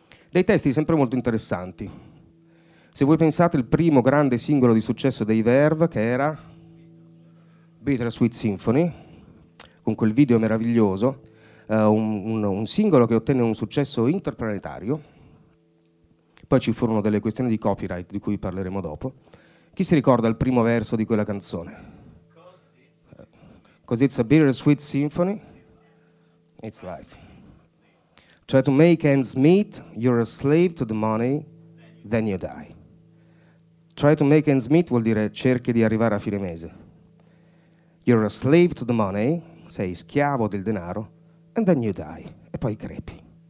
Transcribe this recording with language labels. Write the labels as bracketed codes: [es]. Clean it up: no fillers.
[it] Dei testi sempre molto interessanti. Se voi pensate, il primo grande singolo di successo dei Verve, che era Bittersweet Symphony, con quel video meraviglioso, un singolo che ottenne un successo interplanetario. Poi ci furono delle questioni di copyright, di cui parleremo dopo. Chi si ricorda il primo verso di quella canzone? [en] Because it's a bittersweet symphony, it's life. Try to make ends meet, you're a slave to the money, then you die. Try to make ends meet [it] vuol dire cerchi di arrivare a fine mese. [en] You're a slave to the money, [it] sei schiavo del denaro, [en] and then you die, [it] e poi crepi.